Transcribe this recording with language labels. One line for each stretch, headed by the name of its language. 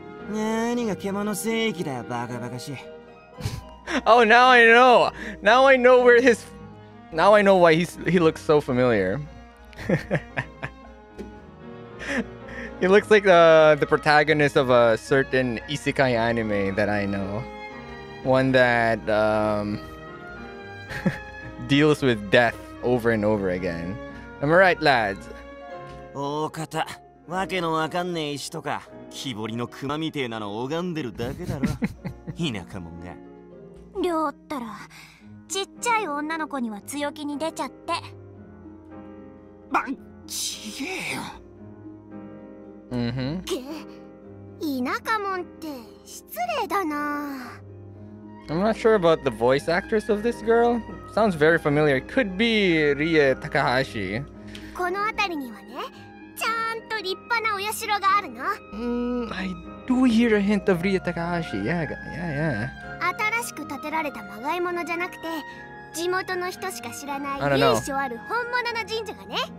Japanese: 何が獣聖域だよバカバカしい。
English: Oh, now I know! Now I know where his... Now I know why he looks so familiar. He looks like the protagonist of a certain isekai anime that I know. One that deals with death over and over again. Am I right, lads?
Japanese: Oh, kata. Wake no wakanne ishi toka. Kibori no kuma mitei na no oganderu dake daro. Hinakamon ga. りょうったら、ちっちゃい女の子には強気に出ちゃって。ま、ちげえよ。げ、田舎もんって失礼だな。
English: I'm not sure about the voice actress of this girl. Sounds very familiar. Could be Rie Takahashi.
Japanese: この辺りにはね、ちゃんと立派なお社があるの。
English: I do hear a hint of Rie Takahashi. Yeah.
Japanese: らしく建てられたまがいものじゃなくて、地元の人しか知らない由緒ある本物の神社がね。